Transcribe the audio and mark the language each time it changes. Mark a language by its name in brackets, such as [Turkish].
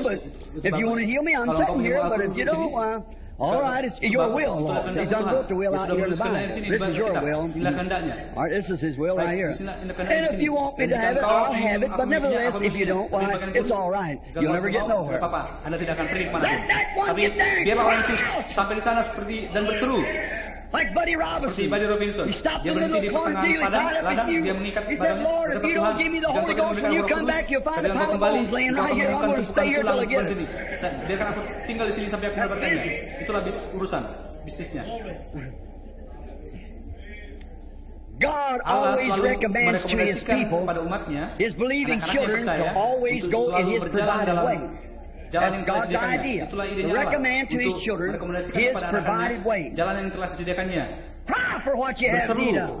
[English] But if you want to heal me, I'm sitting here. But if you don't, all right, it's your will, Lord. He's done both the will out here in the Bible. This is your will. All right, this is his will right here. And if you want me to have it, I'll have it. But nevertheless, if you don't, why, it's all right. You'll never get nowhere. Let that one get there. [Indonesian] Biar orang itu sampai di sana seperti dan berseru. [English] Like Buddy Robinson. Buddy Robinson. He stopped dia in the little corn dealer. He said, Lord, if you don't give me the Holy Ghost when you come back, you'll find the pile of bones laying right here. I'm going to stay here till I get it. [Indonesian] Biarkan aku tinggal di sini sampai aku mendapatkannya. Itulah urusan bisnisnya. [English] God always recommends to his people, [Indonesian] pada umatnya, [English] his believing children to always go in his provided way. That's God's idea. Recommend to his children his provided way. [Indonesian] Jalan yang telah disediakannya. [English] Cry for what you have need of.